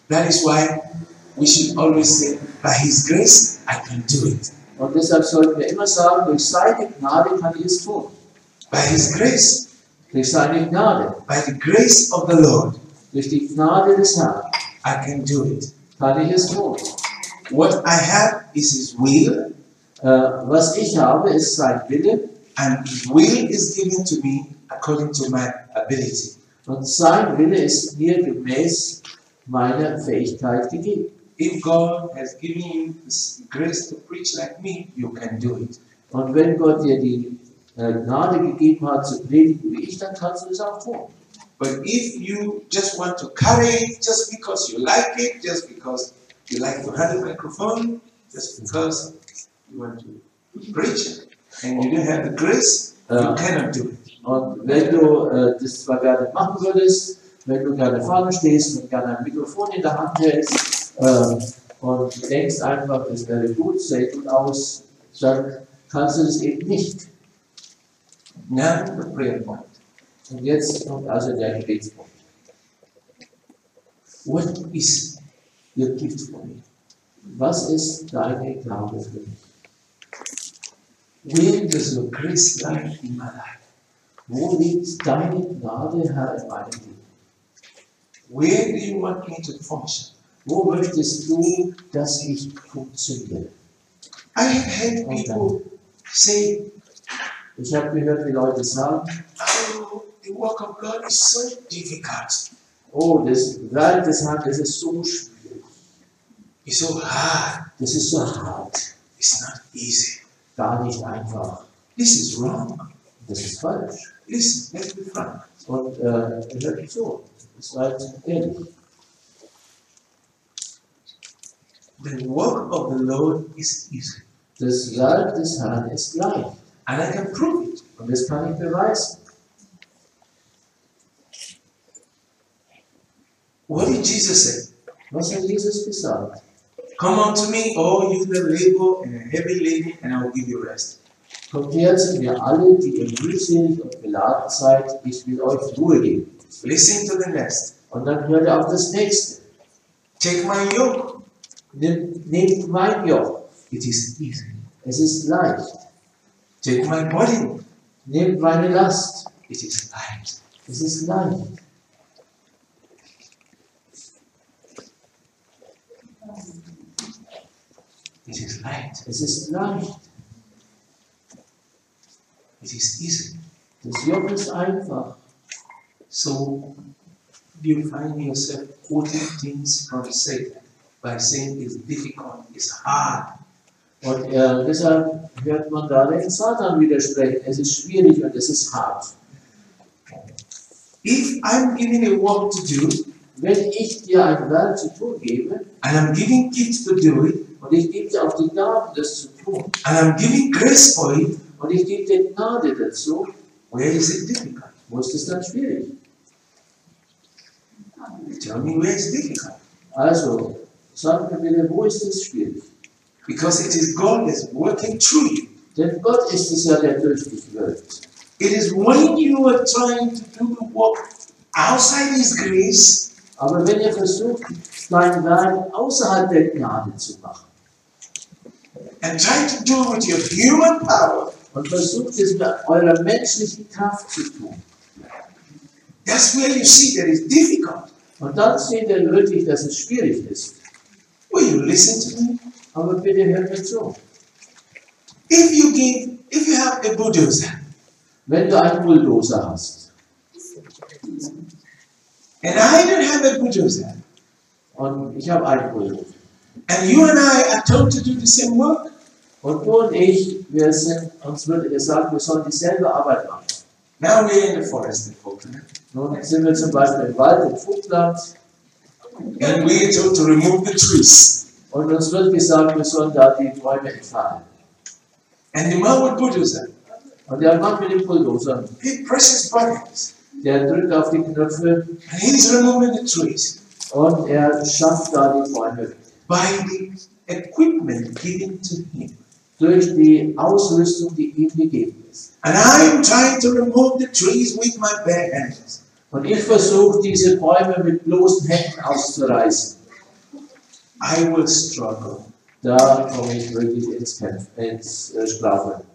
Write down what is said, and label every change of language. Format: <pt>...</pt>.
<en>That is why we should always say, by His grace, I can do it.</en> <de>Und deshalb sollten wir immer sagen, durch seine Gnade kann ich es tun.</de> <en>By His grace.</en> <de>Durch seine Gnade.</de> <en>By the grace of the Lord.</en> <de>Durch die Gnade des Herrn.</de> <en>I can do it.</en> <de>Kann ich es tun.</de> <en>What I have is His will.</en> <de>Was ich habe, ist sein Wille.</de> <en>And His will is given to me according to my ability.</en> <de>Und sein Wille ist mir gemäß meiner Fähigkeit gegeben.</de> <en>If God has given you this grace to preach like me, you can do it.</en> <de>Und wenn Gott dir die Gnade gegeben hat zu predigen wie ich, dann kannst du es auch tun.</de> <en>But if you just want to carry it, just because you like it, just because you like to have a microphone, just because you want to preach and you don't have the grace, you cannot do it.</en> <de>Und wenn du das zwar gerne machen würdest, wenn du gerne vorne stehst und gerne ein Mikrofon in der Hand hältst, und denkst einfach, es wäre gut, sieht gut aus, dann kannst du das eben nicht.</de> <en>Now the prayer point.</en> <de>Und jetzt kommt also der Gebetspunkt.</de> <en>What is your gift for me?</en> <de>Was ist deine Gabe für mich?</de> <en>Where does your grace lie in my life?</en> <de>Wo liegt deine Gnade, Herr, in meinem Leben?</de> <en>Where do you want me to function?</en> <de>Wo möchtest du, dass ich funktioniere?</de> <en>I have heard people say,</en> <de>ich habe gehört, wie Leute sagen,</de> <en>oh, the work of God is so difficult.</en> <de>Oh, das Werk des Herrn, das ist so schwierig.</de> <en>It's so hard.</en> <de>Das ist so hart.</de> <en>It's not easy.</en> <de>Gar nicht einfach.</de> <en>This is wrong.</en> <de>Das ist falsch.</de> <en>Listen, let's be frank.</en> <de>Und hört mich zu. Das war jetzt ehrlich.</de> <en>The work of the Lord is easy.</en> <de>Das Werk des Herrn ist leicht.</de> <en>And I can prove it.</en> <de>Und das kann ich beweisen.</de> <en>What did Jesus say?</en> <de>Was hat Jesus gesagt?</de> <en>Come unto me, all you that labor and are heavy laden, and I will give you rest.</en> <de>Kommt her zu mir alle, die ihr mühselig und beladen seid, ich will euch Ruhe geben.</de> <en>Listen to the next.</en> <de>Und dann hört ihr auf das nächste.</de> <en>Take my yoke.</en> <de>Nehmt mein Joch.</de> <en>It is easy.</en> <de>Es ist leicht.</de> <en>Take my body.</en> <de>Nehmt meine Last.</de> <en>It is light.</en> <de>Es ist leicht.</de> <en>It is light.</en> <de>Es ist leicht.</de> <en>It is easy.</en> <de>Das Joch ist einfach.</de> <en>So, you find yourself quoting things from the safe. By saying it's difficult, it's hard.</en> <de>Und deshalb hört man da den Satan widersprechen. Es ist schwierig und es ist hart.</de> <en>If I'm giving a work to do,</en> <de>wenn ich dir ein Werk zu tun gebe,</de> <en>and I'm giving gifts to do it,</en> <de>und ich gebe dir auch die Gnade, das zu tun,</de> <en>and I'm giving grace for it,</en> <de>und ich gebe dir Gnade dazu,</de> <en>where is it difficult?</en> <de>Wo ist es dann schwierig?</de> <en>Tell me where it's difficult.</en> <de>Also, sag mir, wo ist es schwierig?</de> <en>Because it is God that's working through you.</en> <de>Denn Gott ist es ja, der durch dich wirkt.</de> <en>It is when you are trying to do the work outside His grace.</en> <de>Aber wenn ihr versucht, dein Werk außerhalb der Gnade zu machen.</de> <en>And try to do it with your human power.</en> <de>Und versucht es mit eurer menschlichen Kraft zu tun.</de> <en>That's where you see that it's difficult.</en> <de>Und dann seht ihr wirklich, dass es schwierig ist.</de> <en>Will you listen to me?</en> <de>Aber bitte hört mir zu.</de> <en>If you have a bulldozer.</en> <de>Wenn du einen Bulldozer hast.</de> <en>And I don't have a bulldozer.</en> <de>Und ich habe einen Bulldozer.</de> <en>And you and I are told to do the same work.</en> <de>Und du und ich, wir sind, uns wird gesagt, wir sollen dieselbe Arbeit machen.</de> <en>Now we're in the forest in Falkland.</en> <de>Nun sind wir zum Beispiel im Wald in Falkland.</de> <en>And we're told to remove the trees.</en> <de>Und uns wird gesagt, wir sollen da die Bäume entfernen.</de> <en>And the man with bulldozer.</en> <de>Und der Mann mit dem Bulldozer.</de> <en>He presses buttons.</en> <de>Der drückt auf die Knöpfe.</de> <en>And he's removing the trees.</en> <de>Und er schafft da die Bäume.</de> <en>By the equipment given to him.</en> <de>Durch die Ausrüstung, die ihm gegeben ist.</de> <en>And I am trying to remove the trees with my bare hands.</en> <de>Und ich versuche, diese Bäume mit bloßen Händen auszureißen.</de> <en>I will struggle.</en> <de>Da komme ich wirklich ins Kämpfen, ins Sprache.</de>